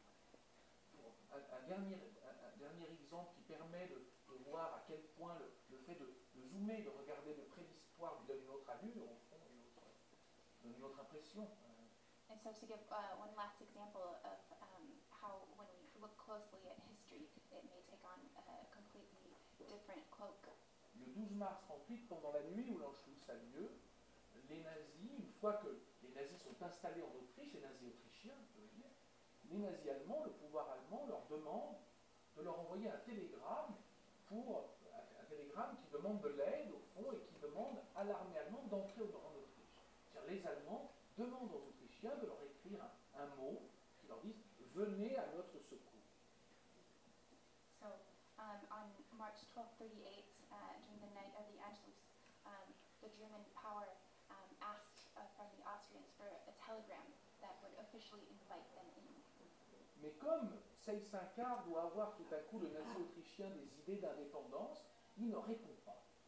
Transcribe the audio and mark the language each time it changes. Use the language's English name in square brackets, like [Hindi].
[French] Un dernier exemple qui permet de voir à quel point le fait de zoomer, de regarder de près l'histoire lui donne une autre allure, au fond, une autre impression. [English] And so to give one last example of how when we look closely at history, it may take on a completely different cloak. [French] Le 12 mars 38, pendant la nuit où l'Anschluss a lieu, les nazis, une fois que les nazis sont installés en Autriche, les nazis autrichiens, les nazis allemands, le pouvoir allemand leur demande de leur envoyer un télégramme qui demande de l'aide au fond et qui demande à l'armée allemande d'entrer en Autriche. C'est-à-dire les Allemands demandent aux Autrichiens de leur écrire un mot qui leur dit venez à notre secours. [English] So on March 12, 38, during the night of the Anschluss, the German power asked from the Austrians for a telegram that would officially invite them in. [French] Mais comme Seyss-Inquart doit avoir tout à coup le nazi autrichien des idées d'indépendance, il ne répond pas.